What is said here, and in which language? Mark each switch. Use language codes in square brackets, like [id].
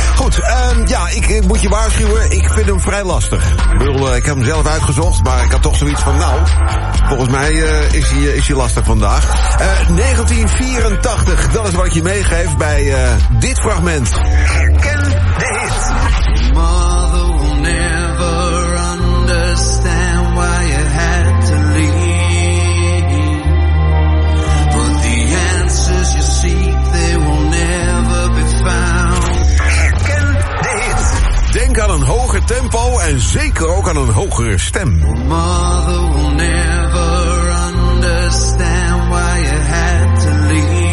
[nl] Goed, ik moet je waarschuwen, ik vind hem vrij lastig. Ik heb hem zelf uitgezocht, maar ik had toch zoiets van, nou, volgens mij is hij lastig vandaag. 1984, dat is wat ik je meegeef bij dit fragment. Herken de hit. [en] Mother will never understand why you had to leave. For the answers you seek, they will never be found. [nl] Herken de hit. Denk aan een hoger tempo en zeker ook aan een hogere stem. [en] Mother will never understand why you had to leave.